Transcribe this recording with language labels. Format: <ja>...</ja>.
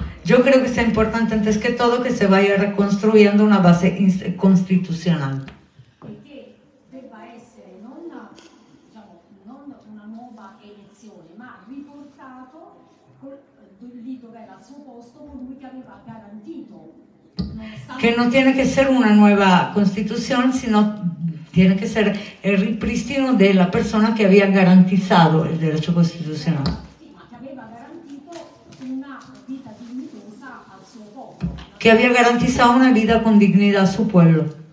<es>Yo creo que es importante antes que todo que se vaya reconstruyendo una base constitucional. Porque debe ser no una, digamos, no una nueva elección,</es> <it>ma riportato lì dove era al suo posto colui che aveva garantito.</it> <es>Que no tiene que ser una nueva constitución, sino tiene que ser el ripristino de la persona que había garantizado el derecho constitucional. Que había garantizado una vida con dignidad a su pueblo.</es>